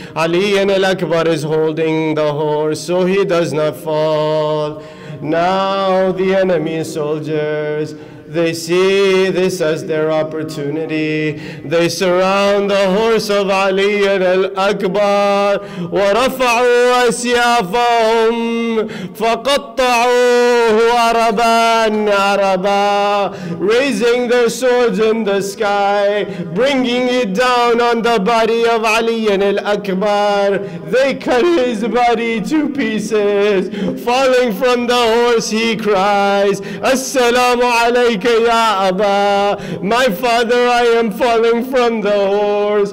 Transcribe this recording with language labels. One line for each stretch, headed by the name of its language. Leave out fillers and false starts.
English: Ali and Al-Akbar is holding the horse so he does not fall. Now the enemy soldiers, they see this as their opportunity. They surround the horse of Ali and Al-Akbar.
Arabic: ورفعوا أسيافهم فقطعوه عربا عربا.
English: Raising their swords in the sky, bringing it down on the body of Ali and Al-Akbar. They cut his body to pieces. Falling from the horse, he cries,
Arabic: Assalamu alaykum. Ya Abba,
English: my father, I am falling from the horse.